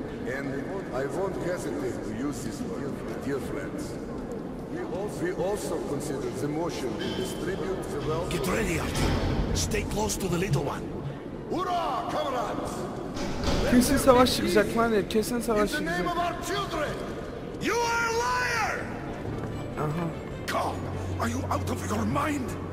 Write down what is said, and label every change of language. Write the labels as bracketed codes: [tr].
[en] And I won't hesitate to use this word, dear friends. We also consider the motion to distribute the wealth. Get ready, Artyom. Stay close to the little one. Hurrah, comrades! [tr] Kesin savaş çıkacak lan ya, kesin savaş çıkacak. [en] In the name of our children, you are a liar! Aha. Carl, are you out of your mind?